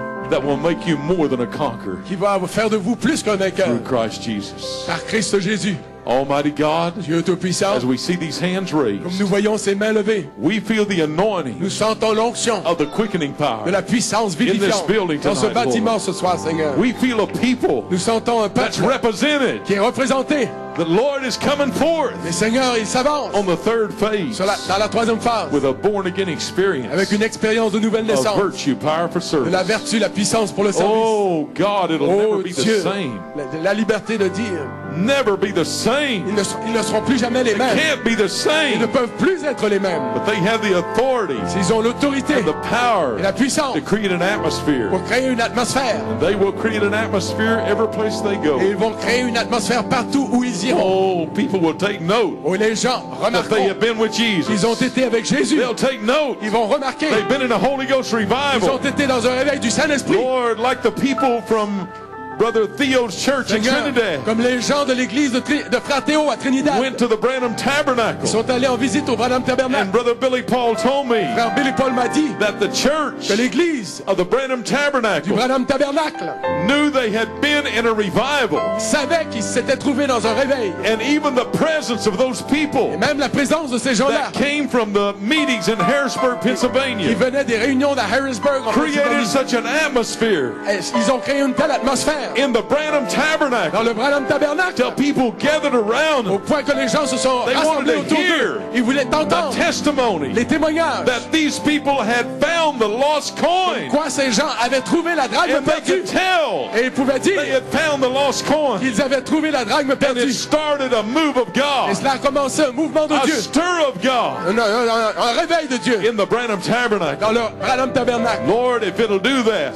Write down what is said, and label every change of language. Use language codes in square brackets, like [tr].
[en] That will make you more than a conqueror. [fr] Qui va faire de vous plus qu'un vainqueur. [en] Through Christ Jesus. [fr] Par Christ Jésus. [en] Almighty God, [fr] Dieu Tout-Puissant, [en] as we see these hands raised, [fr] comme nous voyons ces mains levées, [en] we feel the anointing, [fr] nous sentons l'onction, [en] of the quickening power, [fr] de la puissance vivifiante, [en] in this building tonight, [fr] dans ce bâtiment [en] Lord. [fr] Ce soir, Seigneur, [en] we feel a people, [fr] nous sentons un peuple, [en] that's represented, [fr] qui est représenté. [en] The Lord is coming forth. [fr] Mais Seigneur, il s'avance. [en] On the third phase. [fr] Sur la, dans la troisième phase. [en] With a born again experience. [fr] Avec une expérience de nouvelle naissance. [en] Of virtue, power for service. [fr] De la vertu, la puissance pour le service. [en] Oh God, it'll oh never be [fr] Dieu, [en] the same. [fr] La liberté de dire. [en] Never be the same. [fr] Ils ne seront plus jamais les mêmes. [en] They can't be the same. [fr] Ils ne peuvent plus être les mêmes. [en] But they have the authority. [fr] S'ils ont l'autorité. [en] And the power. [fr] Et la puissance. [en] To create an atmosphere. [fr] Pour créer une atmosphère. [en] And they will create an atmosphere every place they go. [fr] Et ils vont créer une atmosphère partout où ils y. [en] Oh, people will take note. [fr] Oh, les gens [en] that they have been with Jesus. [fr] Ils ont été avec Jésus. [en] They'll take note. [fr] Ils vont remarquer. [en] They've been in a Holy Ghost revival. [fr] Ils ont été dans un réveil du Saint-Esprit. [en] Lord, like the people from Brother Theo's church [fr] Seigneur, [en] in Trinidad. [fr] Comme les gens de l'église de Frère Théo à Trinidad. [en] Went to the Branham Tabernacle. [fr] Ils sont allés en visite au Branham Tabernacle. [en] And Brother Billy Paul told me. [fr] Frère Billy Paul m'a dit. [en] That the church. [fr] Que l'église. [en] Of the Branham Tabernacle. [fr] Du Branham Tabernacle. [en] Knew they had been in a revival. [fr] Savaient qu'ils s'étaient trouvés dans un réveil. [en] And even the presence of those people. [fr] Et même la présence de ces gens-là. [en] That came from the meetings in Harrisburg, Pennsylvania. [fr] Qui venaient des réunions de Harrisburg en [en] Pennsylvania. Created such an atmosphere. [fr] Ils ont créé une telle atmosphère. terre. [en] In the Branham Tabernacle. [fr] Dans le Branham Tabernacle. [en] Till people gathered around. [fr] Au point que les gens se sont rassemblés autour d'eux. Ils voulaient entendre. [en] The testimony. [fr] Les témoignages. [en] That these people had found the lost coin. [fr] Quoi ces gens avaient trouvé la drachme perdue. [en] Tell. [fr] Et ils pouvaient dire. [en] They had found the lost coin. [fr] Ils avaient trouvé la drachme perdue. [en] And it started a move of God. [fr] Et cela a commencé un mouvement de Dieu. [en] A stir of God. [fr] Un réveil de Dieu. [en] In the Branham Tabernacle. [fr] Dans le Branham Tabernacle. [en] Lord, if it'll do that.